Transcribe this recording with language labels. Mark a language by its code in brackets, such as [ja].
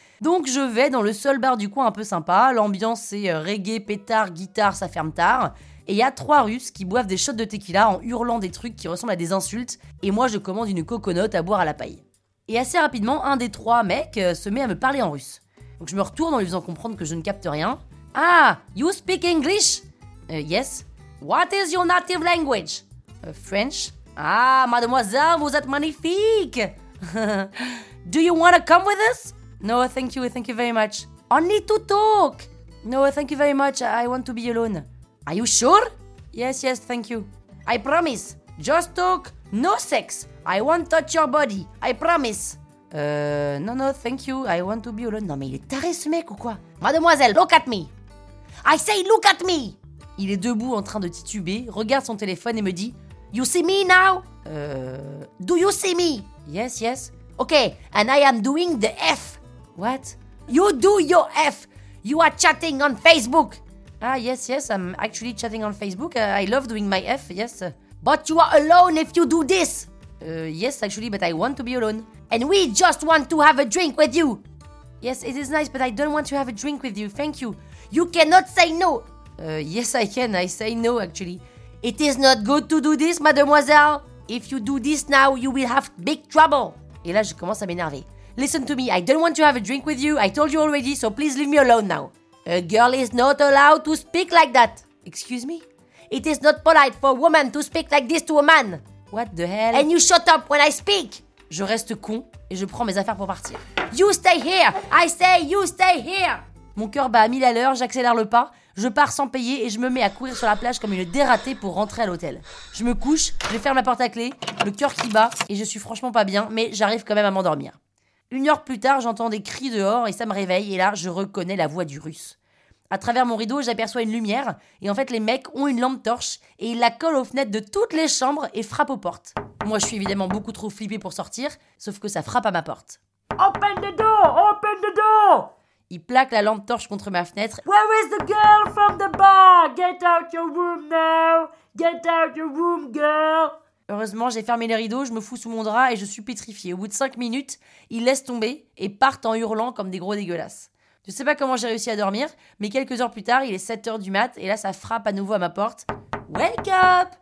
[fr] Donc je vais dans le seul bar du coin un peu sympa, l'ambiance c'est reggae, pétard, guitare, ça ferme tard. Et il y a 3 Russes qui boivent des shots de tequila en hurlant des trucs qui ressemblent à des insultes, et moi je commande une coconut à boire à la paille. Et assez rapidement, un des 3 mecs se met à me parler en russe. Donc je me retourne en lui faisant comprendre que je ne capte rien. [en] Ah, you speak English? Yes. What is your native language? French. [fr] Ah, mademoiselle, vous êtes magnifique! [en] Do you want to come with us? No, thank you very much. Only to talk! No, thank you very much, I want to be alone. Are you sure? Yes, thank you. I promise, just talk, no sex. I won't touch your body, I promise. No, thank you, I want to be alone. [fr] Non, mais il est taré ce mec ou quoi? [en] Mademoiselle, look at me! I say look at me! [fr] Il est debout en train de tituber, regarde son téléphone et me dit... [en] You see me now? Do you see me? Yes. Okay, and I am doing the F. What? You do your F. You are chatting on Facebook. Ah, yes, I'm actually chatting on Facebook. I love doing my F, yes. But you are alone if you do this. Yes, actually, but I want to be alone. And we just want to have a drink with you. Yes, it is nice, but I don't want to have a drink with you. Thank you. You cannot say no. Yes, I can. I say no, actually. It is not good to do this, mademoiselle. If you do this now, you will have big trouble. [fr] Et là, je commence à m'énerver. [en] Listen to me, I don't want to have a drink with you. I told you already, so please leave me alone now. A girl is not allowed to speak like that. Excuse me? It is not polite for a woman to speak like this to a man. What the hell? And you shut up when I speak. [fr] Je reste con et je prends mes affaires pour partir. [en] You stay here. I say you stay here. [fr] Mon cœur bat à 1000 à l'heure, j'accélère le pas. Je pars sans payer et je me mets à courir sur la plage comme une dératée pour rentrer à l'hôtel. Je me couche, je ferme la porte à clé, le cœur qui bat et je suis franchement pas bien, mais j'arrive quand même à m'endormir. Une heure plus tard, j'entends des cris dehors et ça me réveille et là, je reconnais la voix du russe. À travers mon rideau, j'aperçois une lumière et en fait, les mecs ont une lampe torche et ils la collent aux fenêtres de toutes les chambres et frappent aux portes. Moi, je suis évidemment beaucoup trop flippée pour sortir, sauf que ça frappe à ma porte. [en] Open the door! Open the door! [fr] Il plaque la lampe torche contre ma fenêtre. [en] Where is the girl from the bar? Get out your room now! Get out your room, girl! [fr] Heureusement, j'ai fermé les rideaux, je me fous sous mon drap et je suis pétrifiée. Au bout de 5 minutes, ils laissent tomber et partent en hurlant comme des gros dégueulasses. Je sais pas comment j'ai réussi à dormir, mais quelques heures plus tard, il est 7h du mat et là, ça frappe à nouveau à ma porte. [en] Wake up!